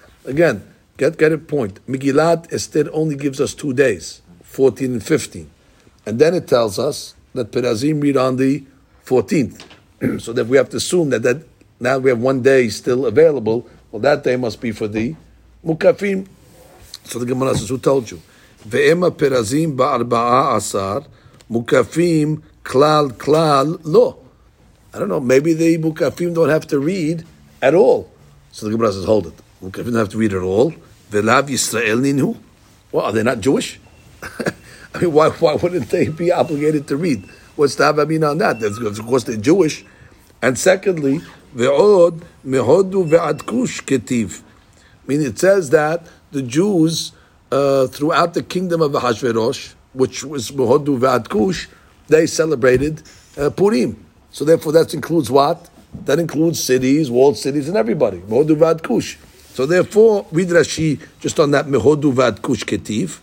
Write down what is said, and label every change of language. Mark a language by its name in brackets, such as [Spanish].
[English] Again, get a point. Megillat Esther only gives us 2 days, 14 and 15. And then it tells us that Perazim read on the 14th. So that we have to assume that now we have 1 day still available. Well, that day must be for the Mukafim. So the Gemara says, who told you? [Aramaic] ואמא פרזים בארבעה עשר, מוקפים כלל כלל לא. [English] I don't know, maybe the מוקפים don't have to read at all. So the Gemara says, hold it. מוקפים don't have to read at all. [Aramaic] ולאו ישראל נינו. [English] Well, are they not Jewish? I mean, why wouldn't they be obligated to read? What's the Hava Amina on that? That's, of course, they're Jewish. And secondly, [Hebrew] ועוד מהודו ועד כוש כתיב. [English] I mean, it says that the Jews throughout the kingdom of Ahasuerus, which was Mehodu Ve'ad Kush, they celebrated Purim. So therefore, that includes what? That includes cities, walled cities, and everybody. Mehodu Ve'ad Kush. So therefore, read Rashi just on that Mehodu Ve'ad Kush Ketiv.